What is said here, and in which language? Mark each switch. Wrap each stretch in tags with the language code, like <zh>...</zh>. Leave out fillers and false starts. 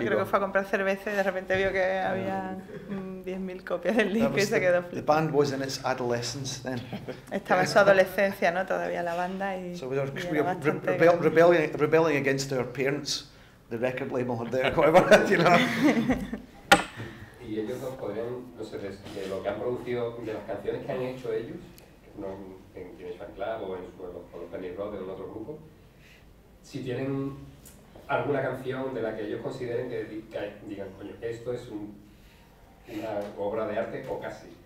<es>Creo que fue a comprar cerveza y de repente vio que había 10.000 copias del disco y se quedó flipado.</es> <en>The band was in its adolescence then.</en> <es>Estaba en su adolescencia, ¿no? Todavía la banda y...</es> <en>So we were rebelling against our parents, the record label or their, whatever, you know.</en> <es>Y ellos nos podrían, no sé, de lo que han producido, de las canciones que han hecho ellos, no, en el FANCLUB o en los Pernice Brothers o en otro grupo, si tienen... alguna canción de la que ellos consideren que digan, coño, esto es una obra de arte o casi.</es>